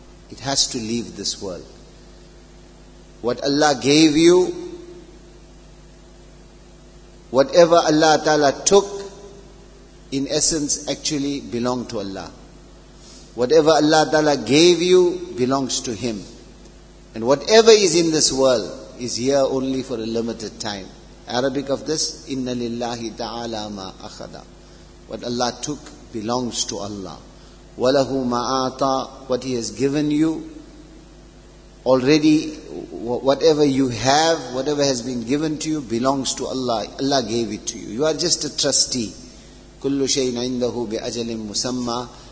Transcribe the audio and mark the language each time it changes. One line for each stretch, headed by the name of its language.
English: It has to leave this world. What Allah gave you, whatever Allah Ta'ala took, in essence, actually belonged to Allah. Whatever Allah Ta'ala gave you, belongs to Him. And whatever is in this world, is here only for a limited time. Arabic of this,
Arabic: إِنَّ لِلَّهِ تَعَالَى مَا أَخَذَى.
English: What Allah took, belongs to Allah.
Arabic: وَلَهُ مَا أَعْطَى.
English: What He has given you, already whatever you have, whatever has been given to you, belongs to Allah. Allah gave it to you. You are just a trustee.
Arabic: كُلُّ شَيْءٍ عِنْدَهُ بِأَجَلٍ مُسَمَّى.